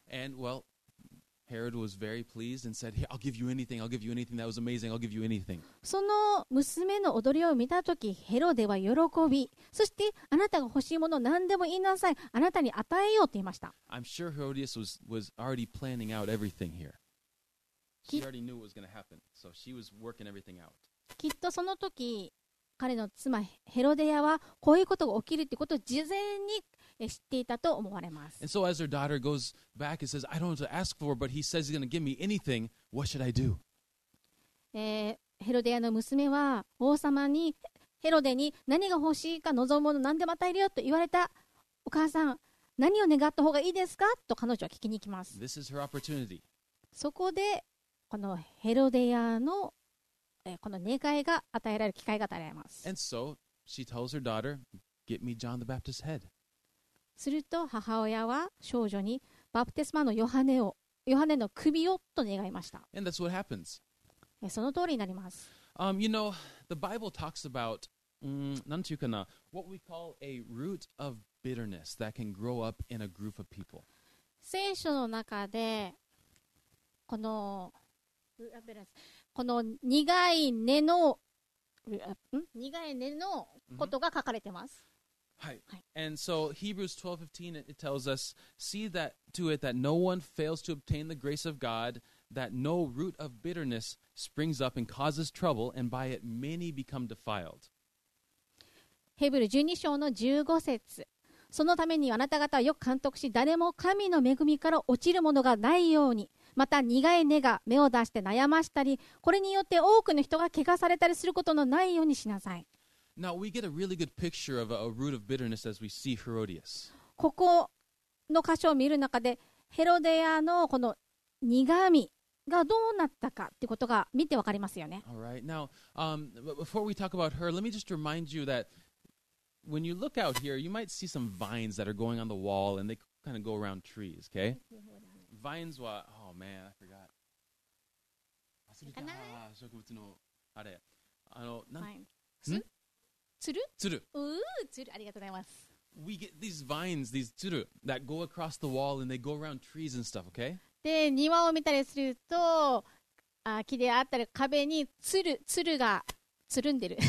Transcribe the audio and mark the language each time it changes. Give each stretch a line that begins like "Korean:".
English: And well, Herod was very pleased and said, "I'll give you anything. I'll give you anything. That was amazing. I'll give you anything."
Japanese: その娘の踊りを見たとき、ヘロデは喜び、そしてあなたが欲しいものを何でも言いなさい、あなたに与えようと言いました。
English: I'm sure Herodias was already planning out everything here. She already knew what was going to happen, so she was working everything out.
Japanese: きっとその時彼の妻ヘロデアはこういうことが起きるということを事前に知っていたと思われます。
English: And so as her daughter goes back and says, "I don't want to ask for, but he says he's going to give me anything. What should I do?"
Japanese: ヘロデアの娘は王様にヘロデに何が欲しいか望むもの何でも与えるよと言われた。お母さん、何を願った方がいいですかと彼女は聞きに行きます。
English: This is her opportunity.
Japanese: そこでこのヘロデアのこの願いが与えられる機会が与えられます。
English: And so she tells her daughter, "Get me John the Baptist's head."
Japanese: すると母親は少女にバプテスマのヨハネの首をと願いました。
English: And that's what happens.
Japanese: その通りになります。
English: You know, the Bible talks about,
Japanese: なんていうかな、
English: what we call a root of bitterness that can grow up in a group of people.
Japanese: 聖書の中でこの、この苦い根の、苦い根のことが書かれてます。はい。
English: And so Hebrews 12:15 it tells us, "See that to it that no one fails to obtain the grace of God, that no root of bitterness springs up and causes trouble, and by it many become defiled."
Japanese: ヘブル12章の15節。そのためにあなた方はよく監督し、誰も神の恵みから落ちるものがないように。また苦い根が芽を出して悩ましたり、これによって多くの人が怪我されたりすることのないようにしなさい。
English: Now we get a really good picture of a root of bitterness as we see Herodias.
Japanese: ここの箇所を見る中で、ヘロデアのこの苦みがどうなったかってことが見てわかりますよね。
English: All right. Now, before we talk about her, let me just remind you that when you look out here, you might see some vines that are going on the wall and they kind of go around trees, okay? Vines は、oh man, I forgot.
Japanese: 忘れた。ああ、植物のあれ、あの、なん、つる？つる？つる。うー、つる。ありがとうございます。
English: We get these vines, these つる that go across the wall and they go around trees and stuff, okay?
Japanese: で、庭を見たりすると、あ、木であったり壁につる、つるがつるんでる。